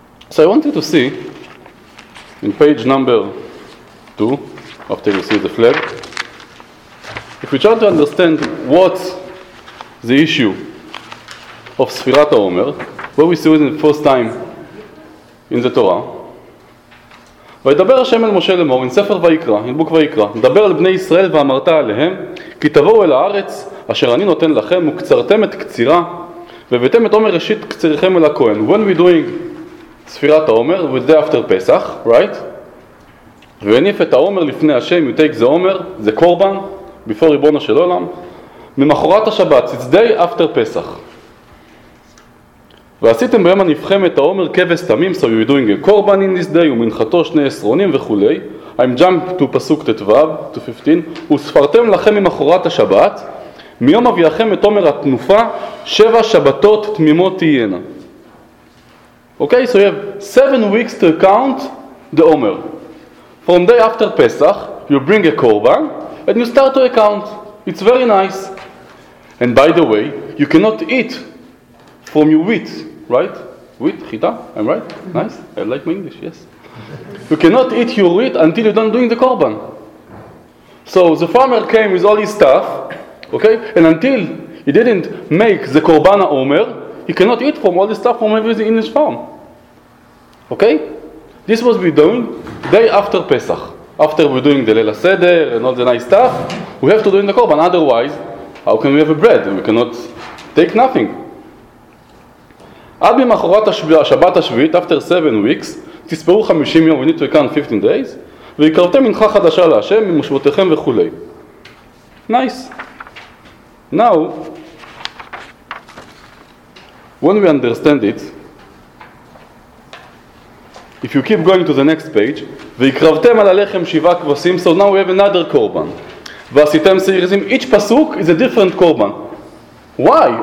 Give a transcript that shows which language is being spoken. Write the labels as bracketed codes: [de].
[en] So I want you to see in page number 2, after you see the flag, if we try to understand what the issue of Sefirat HaOmer, where we see it in the first time in the Torah. [he] וידבר השם אל משה לאמור, in ספר ויקרא, in book ויקרא, דבר אל בני ישראל ואמרת עליהם, כי תבואו אל הארץ אשר אני נותן לכם, וקצרתם את קצירה, והבאתם את עומר ראשית קציריכם אל הכהן. [en] When we doing ספירת העומר, with day after Pesach, right? [he] והניף את העומר לפני השם, [en] you take the עומר, the קורבן, before [he] ריבונו של עולם, ממחורת השבת, [en] it's day after Pesach. [he] ועשיתם ביום הנפחם את העומר כבש תמים, [en] so you're doing a korban in this day, [he] ומנחתו שני עשרונים וכולי. [en] I'm jump to פסוק תתוו, to 15. [he] וספרתם לכם ממחורת השבת, מיום אביאכם את עומר התנופה, שבע שבתות תמימות תהיינה. [en] Okay, so you have 7 weeks to count the עומר. From day after Pesach, you bring a korban, and you start to account. It's very nice. And by the way, you cannot eat from your wheat, right? Wheat, chita, I'm right? Nice, I like my English, yes. You cannot eat your wheat until you're done doing the korban. So the farmer came with all his stuff, okay? And until he didn't make the korbana omer, he cannot eat from all the stuff from everything in his farm. Okay? This was we doing day after Pesach. After we're doing the Leila Seder and all the nice stuff, we have to do in the korban. Otherwise, how can we have a bread? We cannot take nothing. [he] עד ממחרת השבת השביעית, [en] after 7 weeks, [he] תספרו 50 יום, [en] we need to count 15 days, [he] ויקרבתם מנחה חדשה להשם, ממושבותיכם וכו'. [en] Nice. Now, when we understand it, if you keep going to the next page, [he] ויקרבתם על הלחם 7 כבשים, [en] so now we have another korban. [he] ועשיתם סעירים, [en] each pasuk is a different korban. Why?